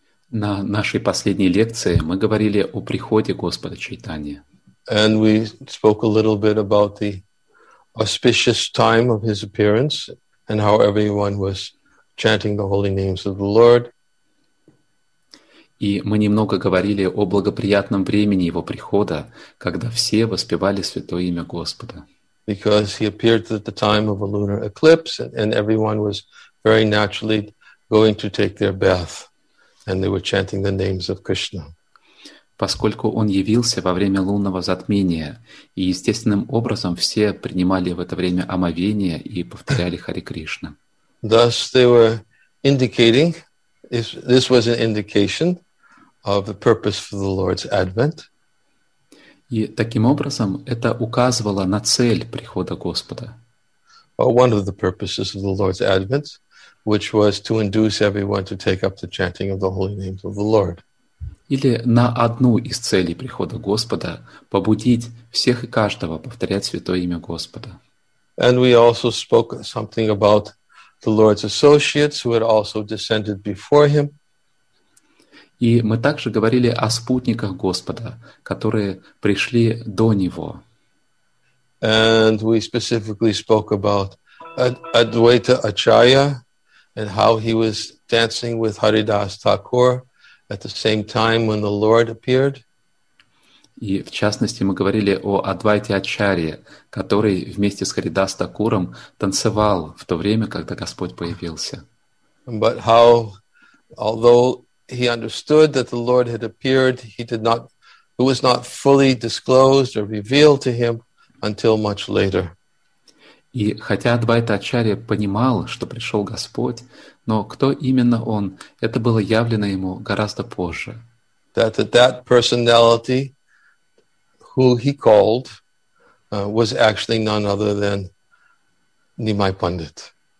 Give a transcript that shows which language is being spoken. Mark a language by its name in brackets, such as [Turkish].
[Russian] На нашей последней лекции мы говорили о приходе Господа Чайтаньи. [English] And we spoke a little bit about the auspicious time of his appearance and how everyone was chanting the holy names of the Lord. [Russian] И мы немного говорили о благоприятном времени его прихода, когда все воспевали святое имя Господа. [English] Because he appeared at the time of a lunar eclipse and everyone was very naturally going to take their bath. And they were chanting the names of Krishna. [Russian] Поскольку он явился во время лунного затмения, и естественным образом все принимали в это время омовение и повторяли Харе Кришна. [English] Thus they were indicating, this was an indication of the purpose for the Lord's advent. [Russian] И таким образом это указывало на цель прихода Господа. [English] Well, one of the purposes of the Lord's advent, which was to induce everyone to take up the chanting of the holy names of the Lord. [Russian] Или на одну из целей прихода Господа побудить всех и каждого повторять святое имя Господа. [English] And we also spoke something about the Lord's associates who had also descended before him. [Russian] И мы также говорили о спутниках Господа, которые пришли до него. [English] And we specifically spoke about Advaita Acharya and how he was dancing with Haridas Thakur at the same time when the Lord appeared. [Russian] И в частности мы говорили о Адвайте Ачарье, который вместе с Харидас Такуром танцевал в то время, когда Господь появился. [English] But how, although he understood that the Lord had appeared, he did not, it was not fully disclosed or revealed to him until much later. [Russian] И хотя Адвайта Ачарья понимал, что пришел Господь, но кто именно он, это было явлено ему гораздо позже. [English] That personality, who he called, was actually none other than Nimai Pandit.